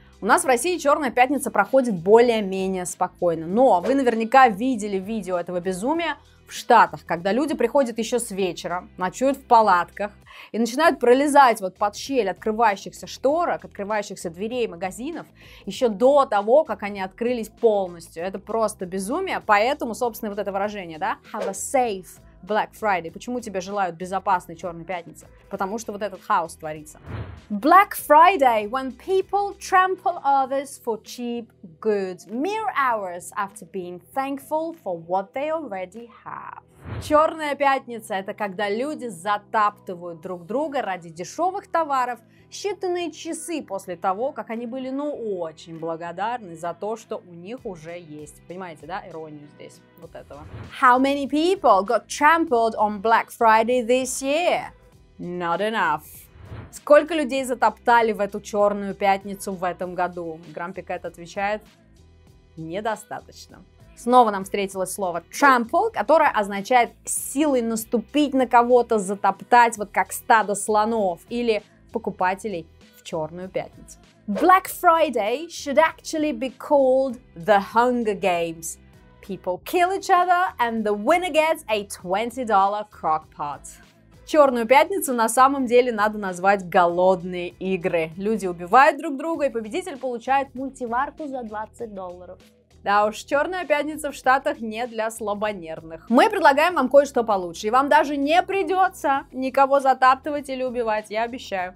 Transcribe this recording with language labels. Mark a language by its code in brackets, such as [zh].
[ru] У нас в России Черная пятница проходит более-менее спокойно, но вы наверняка видели видео этого безумия в Штатах, когда люди приходят еще с вечера, ночуют в палатках и начинают пролезать вот под щель открывающихся шторок, открывающихся дверей магазинов еще до того, как они открылись полностью. Это просто безумие, поэтому, собственно, вот это выражение, да, [en] have a safe Black Friday. [ru] Почему тебе желают безопасной Черной пятницы? Потому что вот этот хаос творится. [en] Black Friday, when people trample others for cheap goods, mere hours after being thankful for what they already have. [ru] Черная пятница – это когда люди затаптывают друг друга ради дешевых товаров считанные часы после того, как они были, ну, очень благодарны за то, что у них уже есть. Понимаете, да, иронию здесь вот этого? [en] How many people got trampled on Black Friday this year? Not enough. [ru] Сколько людей затоптали в эту черную пятницу в этом году? Грампи Кэт отвечает – недостаточно. Снова нам встретилось слово trample, которое означает силой наступить на кого-то, затоптать, вот как стадо слонов, или покупателей в черную пятницу. [en] Black Friday should actually be called The Hunger Games. People kill each other, and the winner gets a $20 crockpot. [ru] Черную пятницу на самом деле надо назвать голодные игры. Люди убивают друг друга, и победитель получает мультиварку за $20. Да уж, черная пятница в Штатах не для слабонервных. Мы предлагаем вам кое-что получше, и вам даже не придется никого затаптывать или убивать, я обещаю.